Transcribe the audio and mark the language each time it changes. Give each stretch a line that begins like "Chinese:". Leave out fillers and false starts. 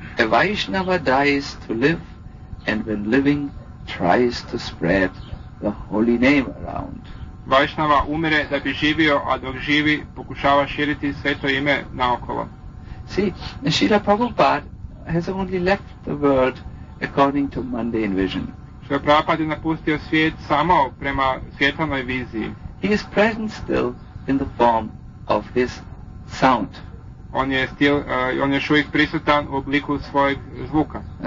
English: A Vaishnava dies to live, and when living tries to spread the holy name around.
Croatian: Vaishnava umire da bi živio, a dok živi pokušava širiti sveto ime naokolo.
English: See, Srila Prabhupada has only left the world according to mundane vision.
Croatian: Što Prabhupada je napustio svijet samo prema svjetlanoj viziji.
English: He is present still in the form of his sound.
Croatian: On je
English: still,
Croatian: on je uvijek prisutan u obliku svojeg zvuka.